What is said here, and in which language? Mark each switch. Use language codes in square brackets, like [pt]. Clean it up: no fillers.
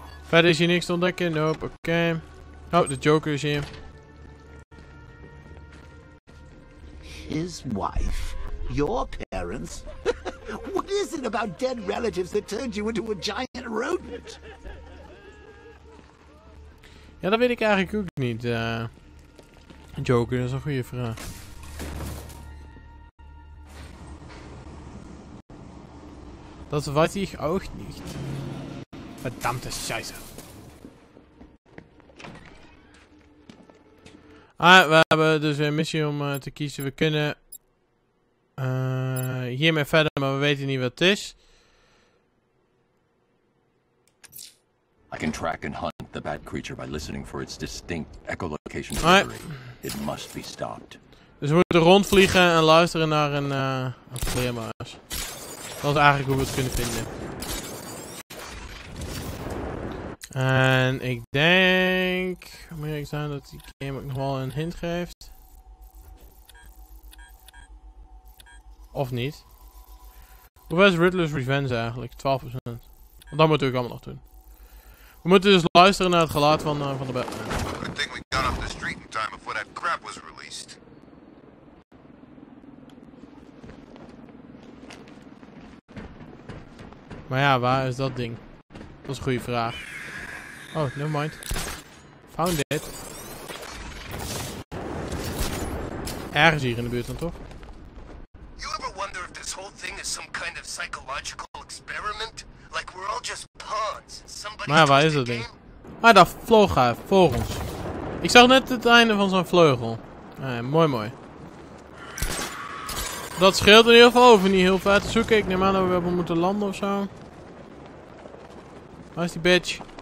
[nl] Verder is hier niks te ontdekken. Nope, okay. Oh, de Joker is hier. [en] His wife? Your parents? What is it about dead relatives that turned you into a giant rodent? [nl] Ja, dat weet ik eigenlijk ook niet, Joker, dat is een goede vraag. Dat weet ik ook niet. [de] Verdammte scheiße. [nl] Ah, we hebben dus weer een missie om te kiezen. We kunnen hiermee verder, maar we weten niet wat het is. [en] I can track and hunt the bad creature by listening for its distinct echolocation delivery. It must be stopped. [nl] Dus we moeten rondvliegen en luisteren naar een vleermuis. Dat is eigenlijk hoe we het kunnen vinden. En ik denk, moet ik zeggen dat die game ook nog wel een hint geeft. Of niet. Hoeveel is Riddler's Revenge eigenlijk? 12%. Want dat moeten we ook allemaal nog doen. We moeten dus luisteren naar het geluid van de Batman. [en] Good thing we got off the street in time before that crap was released. [nl] Maar ja, waar is dat ding? Dat is een goede vraag. [en] Oh, never mind. Found it. [nl] Ergens hier in de buurt dan toch? [en] You ever wonder if this whole thing is some kind of psychological experiment? Like we're all just pawns. Somebody. [nl] Maar ja, waar is dat ding? Ah, daar vloog hij voor ons. Ik zag net het einde van zijn vleugel. Ah, mooi, mooi. Dat scheelt in ieder geval over niet heel ver te zoeken. Ik neem aan dat we hebben moeten landen of zo. Waar is die bitch?